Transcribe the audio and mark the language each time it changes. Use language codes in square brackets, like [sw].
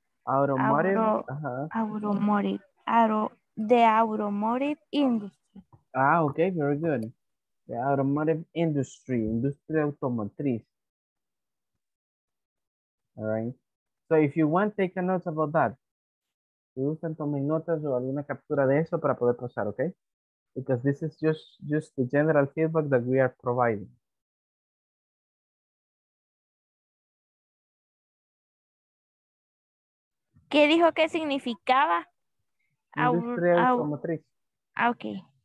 [en] Automotive. Automotive. Auro, the automotive industry. Okay, very good. The automotive industry, industria automotriz. All right. So if you want, take a note about that. [es] Si gustan, tomen notas o alguna captura de eso para poder pasar, okay? [en] Because this is just the general feedback that we are providing. [es] ¿Qué dijo que significaba? Industria automotriz. [en] Okay.